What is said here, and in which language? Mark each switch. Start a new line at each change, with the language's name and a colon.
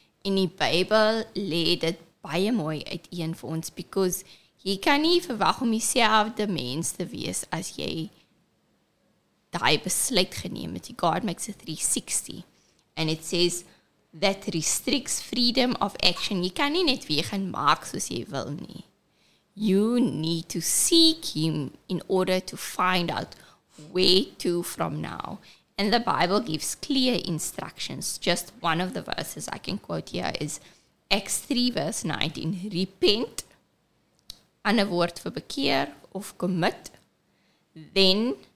Afrikaans: In die Bybel lê dit baie mooi uit een vir ons, because jy kan nie verwag om dieselfde mens te wees as jy die besluit geneem het.
English: God makes a 360, and it says that restricts freedom of action.
Afrikaans: Jy kan nie net weer gaan maak soos jy wil nie.
English: You need to seek him in order to find out where to from now. And the Bible gives clear instructions. Just one of the verses I can quote here is Acts 3 verse 19.
Afrikaans: Repent, ander woord vir bekeer of commit. Then